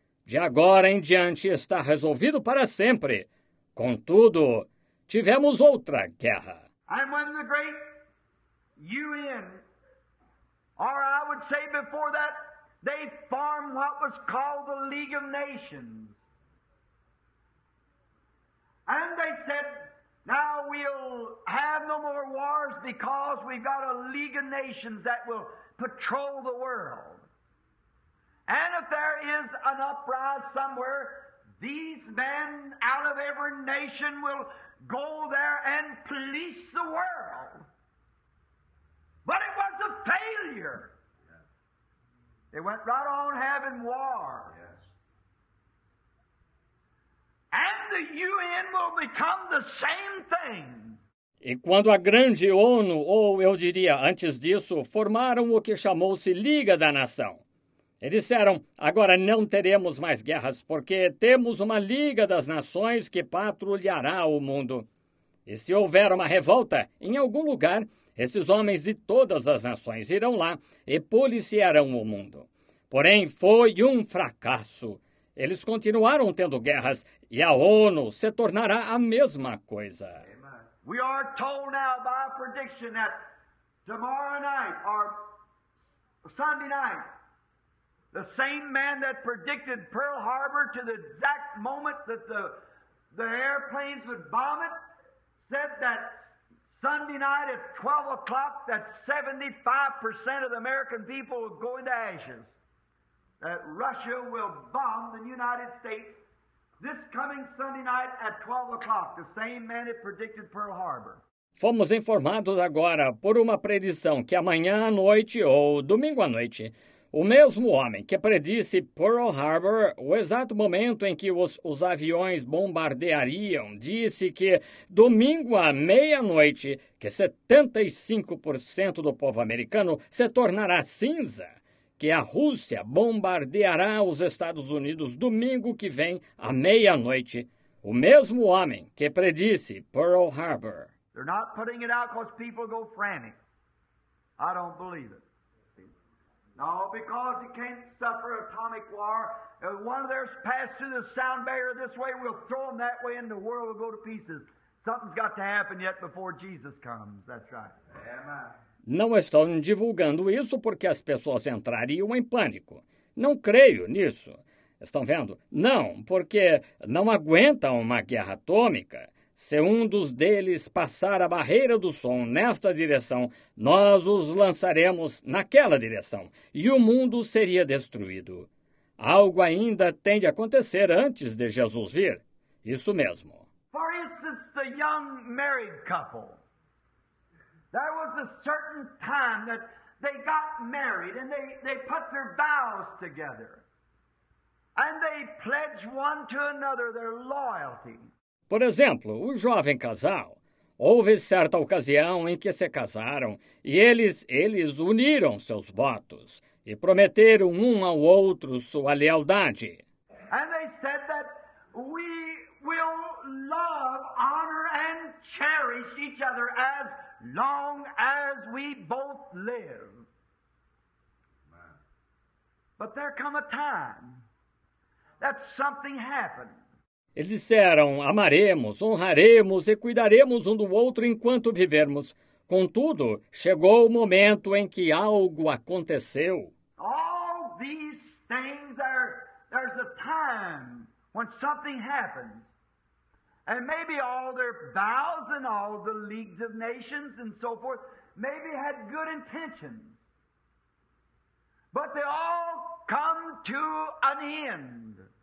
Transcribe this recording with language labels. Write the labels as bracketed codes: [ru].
[pt] De agora em diante está resolvido para sempre. Contudo, tivemos outra guerra. [en] And when the great UN, or I would say before that, they formed what was called the League of Nations. And they said, now we'll have no more wars because we've got a League of Nations that will patrol the world. And if there is an uprise somewhere, these men out of every nation will go there and police the world. But it was a failure. It went right on having war. Yes. And the UN will become the same thing. [pt] E quando a grande ONU, ou eu diria antes disso, formaram o que chamou-se Liga da Nação. E disseram, agora não teremos mais guerras, porque temos uma Liga das Nações que patrulhará o mundo. E se houver uma revolta, em algum lugar, esses homens de todas as nações irão lá e policiarão o mundo. Porém, foi um fracasso. Eles continuaram tendo guerras e a ONU se tornará a mesma coisa. [en] We are told now by prediction that tomorrow night or Sunday night, the same man that predicted Pearl Harbor to the exact moment that the airplanes would bomb it said that Sunday night at 12 o'clock that 75% of the American people will go into ashes, that Russia will bomb the United States. This coming Sunday night at 12 o'clock, the same man that predicted Pearl Harbor. [pt] Fomos informados agora por uma predição que amanhã à noite ou domingo à noite, o mesmo homem que predisse Pearl Harbor, o exato momento em que os aviões bombardeariam, disse que domingo à meia-noite, que 75% do povo americano se tornará cinza. Que a Rússia bombardeará os Estados Unidos domingo que vem, à meia-noite, o mesmo homem que predisse Pearl Harbor. [en] They're not putting it out because people go frantic. I don't believe it. No, because you can't suffer atomic war. If one of theirs passed through the sound barrier this way, we'll throw them that way and the world will go to pieces. Something's got to happen yet before Jesus comes. That's right. Amen. [pt] Não estão divulgando isso porque as pessoas entrariam em pânico. Não creio nisso. Estão vendo? Não, porque não aguentam uma guerra atômica. Se um dos deles passar a barreira do som nesta direção, nós os lançaremos naquela direção e o mundo seria destruído. Algo ainda tem de acontecer antes de Jesus vir. Isso mesmo. [en] For instance, the young married couple. There was a certain time that they got married and they put their vows together. And they pledged one to another their loyalty. [pt] Por exemplo, o jovem casal, houve certa ocasião em que se casaram e eles uniram seus votos e prometeram um ao outro sua lealdade. [en] And they said that we will love, honor and cherish each other as long as we both live. But there come a time that something happened. [pt] Eles disseram, amaremos, honraremos e cuidaremos um do outro enquanto vivermos. Contudo, chegou o momento em que algo aconteceu. [en] All these things are, there's a time when something happens. And maybe all their vows and all the leagues of nations and so forth maybe had good intentions. But they all come to an end.